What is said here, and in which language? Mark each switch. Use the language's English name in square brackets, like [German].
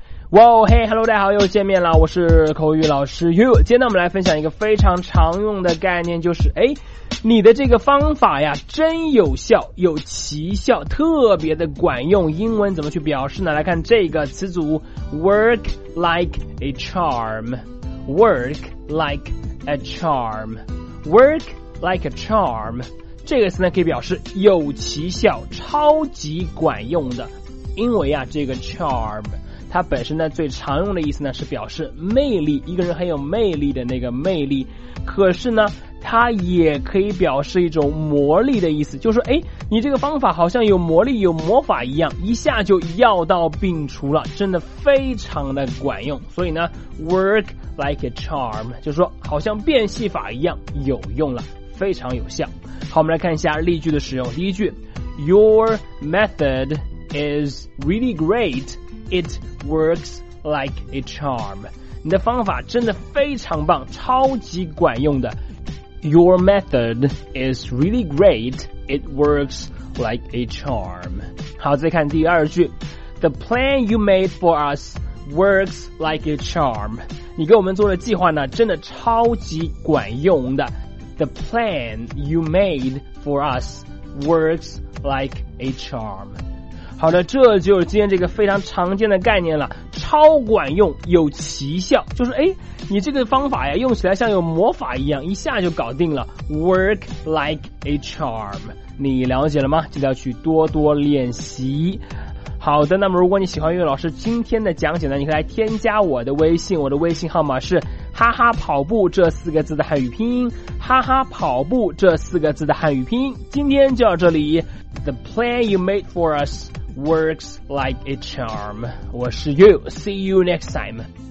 [Chinese] 哇哦，嘿 ，Hello， 大家好，又见面了，我是口语老师 You。今天呢，我们来分享一个非常常用的概念，就是哎，你的这个方法呀，真有效，有奇效，特别的管用。英文怎么去表示呢？来看这个词组 ，work like a charm，work like a charm，work like a charm。这个词呢，可以表示有奇效，超级管用的，因为呀，这个 charm。它本身呢最常用的意思呢是表示魅力，一个人很有魅力的那个魅力。可是呢它也可以表示一种魔力的意思，就是说，哎，你这个方法好像有魔力，有魔法一样，一下就药到病除了，真的非常的管用。所以呢 work like a charm 就是说好像变戏法一样有用了，非常有效。好，我们来看一下例句的使用。第一句， [English] Your method is really greatIt works like a charm. [Chinese] 你的方法真的非常棒，超级管用的。 [English] Your method is really great. It works like a charm. [Chinese] 好，再看第二句。 [English] The plan you made for us works like a charm. [Chinese] 你给我们做的计划呢，真的超级管用的。 [English] The plan you made for us works like a charm. [Chinese] 好的，这就是今天这个非常常见的概念了，超管用，有奇效，就是哎，你这个方法呀，用起来像有魔法一样，一下就搞定了， work like a charm， 你了解了吗？记得要去多多练习。好的，那么如果你喜欢岳老师今天的讲解呢，你可以来添加我的微信，我的微信号码是哈哈跑步这四个字的汉语拼音，哈哈跑步这四个字的汉语拼音。今天就到这里， [English] The plan you made for us works like a charm. 我是 You. See you next time.